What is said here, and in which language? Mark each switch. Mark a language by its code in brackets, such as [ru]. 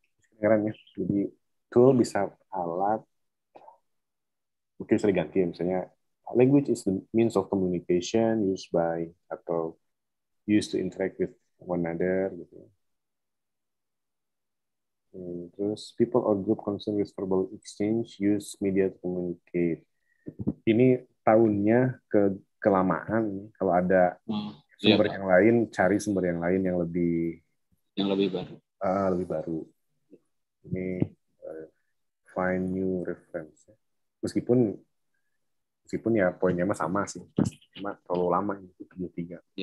[id] Sekarang ya, jadi tool bisa alat, mungkin bisa diganti misalnya. [en] Language is the means of communication used by [id] atau [en] used to interact with one another. [id] Gitu. Terus, [en] people or group concerned with verbal exchange use media to communicate. [id] Ini tahunnya kelamaan. Kalau ada sumber yang lain, cari sumber yang lain yang lebih baru. Lebih baru. Ini [en] find new reference. [id] Meskipun ya poinnya mah sama sih, cuma terlalu lama ini 3.